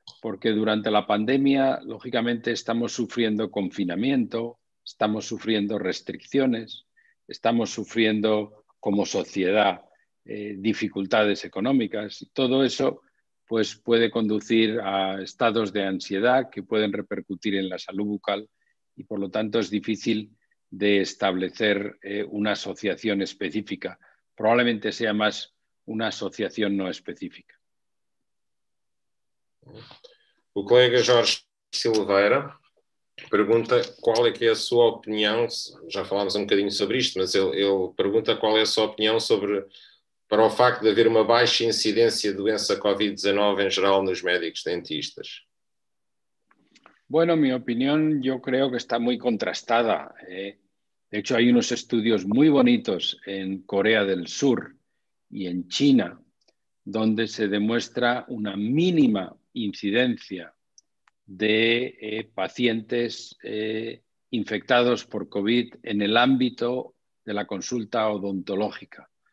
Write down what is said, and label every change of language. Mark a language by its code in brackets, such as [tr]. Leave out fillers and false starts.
[es] Porque durante la pandemia, lógicamente, estamos sufriendo confinamiento, estamos sufriendo restricciones, estamos sufriendo como sociedad dificultades económicas y todo eso pues puede conducir a estados de ansiedad que pueden repercutir en la salud bucal y por lo tanto es difícil de establecer una asociación específica. Probablemente sea más una asociación no específica. [pt] O colega Jorge Silveira pergunta qual é que é a sua opinião, já falámos um bocadinho sobre isto, mas ele pergunta qual é a sua opinião sobre, para o facto de haver uma baixa incidência de doença COVID-19 em geral nos médicos dentistas. [es] Bueno, mi opinión yo creo que está muy contrastada. De hecho, hay unos estudios muy bonitos en Corea del Sur y en China, donde se demuestra una mínima incidencia de pacientes infectados por COVID en el ámbito de la consulta odontológica.